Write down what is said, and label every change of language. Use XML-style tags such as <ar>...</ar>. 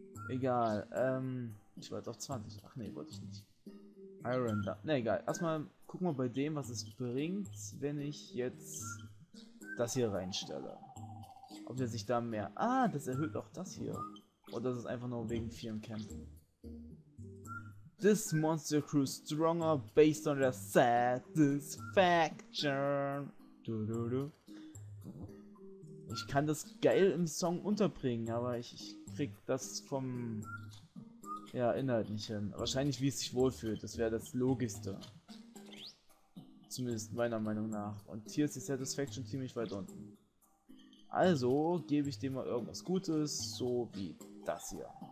<de>Egal, ich wollte auf 20. Ach nee, wollte ich nicht. Iron da. Ne, egal. Erstmal gucken wir bei dem, was es bringt, wenn ich jetzt das hier reinstelle. Ob der sich da mehr. Ah, das erhöht auch das hier. Oder ist es einfach nur wegen vielen Kämpfen?</de> <en>This monster grew stronger based on their satisfaction.</en> <de>Du, du, du. Ich kann das geil im Song unterbringen, aber ich krieg das vom. Ja, Inhalt nicht hin. Wahrscheinlich, wie es sich wohlfühlt. Das wäre das Logischste. Zumindest meiner Meinung nach. Und hier ist die Satisfaction ziemlich weit unten. Also gebe ich dem mal irgendwas Gutes, so wie das hier.</de>